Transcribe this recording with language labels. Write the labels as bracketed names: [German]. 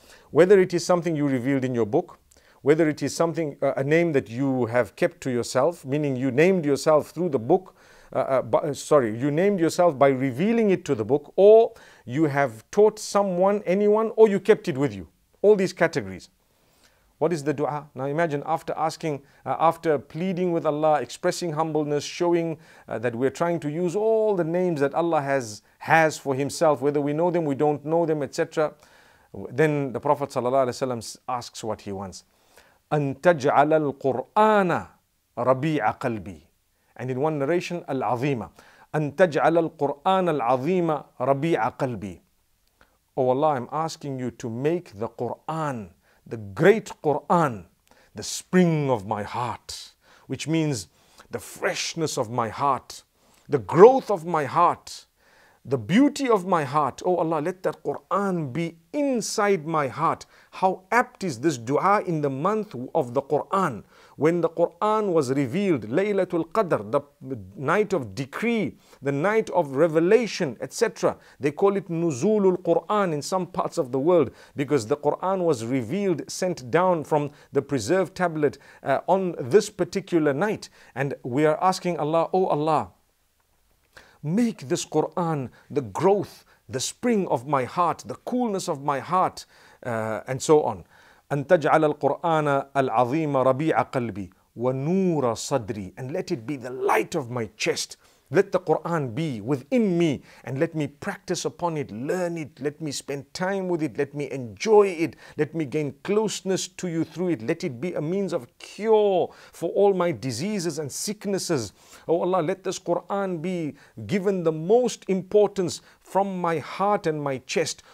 [English] Whether it is something you revealed in your book, whether it is something a name that you have kept to yourself, meaning you named yourself through the book, you named yourself by revealing it to the book, or you have taught someone, anyone, or you kept it with you. All these categories. What is the dua? Now imagine after asking, after pleading with Allah, expressing humbleness, showing that we're trying to use all the names that Allah has for Himself, whether we know them, we don't know them, etc. Then the Prophet sallallahu alaihi wasallam asks what he wants. [Arabic] أن تجعل القرآن ربيع قلبي. [English] And in one narration, العظيمة. [Arabic] أن تجعل القرآن العظيمة ربيع قلبي. [English] Oh Allah, I'm asking you to make the Quran, the great Quran, the spring of my heart, which means the freshness of my heart, the growth of my heart, the beauty of my heart. Oh Allah, let that Quran be inside my heart. How apt is this dua in the month of the Quran, when the Quran was revealed, Laylatul Qadr, the night of decree, the night of revelation, etc. They call it Nuzulul Quran in some parts of the world, because the Quran was revealed, sent down from the preserved tablet on this particular night. And we are asking Allah, Oh Allah, make this Quran the growth, the spring of my heart, the coolness of my heart, and so on. [Arabic] أن تجعل القرآن العظيم ربيع قلبي ونور صدري. [English] And let it be the light of my chest, Let the Quran be within me and let me practice upon it, learn it, let me spend time with it, let me enjoy it, let me gain closeness to you through it, let it be a means of cure for all my diseases and sicknesses. Oh Allah, let this Quran be given the most importance from my heart and my chest.